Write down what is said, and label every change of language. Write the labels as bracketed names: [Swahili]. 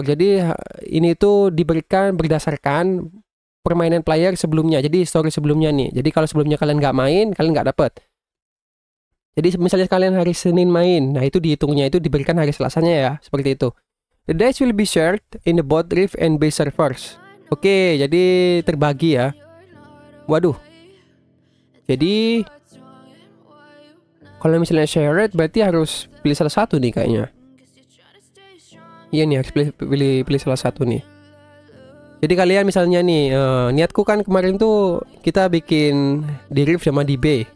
[Indonesian] Jadi ini tuh diberikan berdasarkan permainan player sebelumnya. Jadi history sebelumnya nih. Jadi kalau sebelumnya kalian nggak main, kalian nggak dapat. Jadi misalnya kalian hari Senin main, nah itu dihitungnya itu diberikan hari Selasanya ya, seperti itu. [English] The dice will be shared in the both Rift and Base servers. [Indonesian] Okay, jadi terbagi ya. Waduh. Jadi kalau misalnya shared berarti harus pilih salah satu nih kayaknya. Iya nih, harus pilih salah satu nih. Jadi kalian misalnya nih, niatku kan kemarin tuh kita bikin di Rift sama di Bay.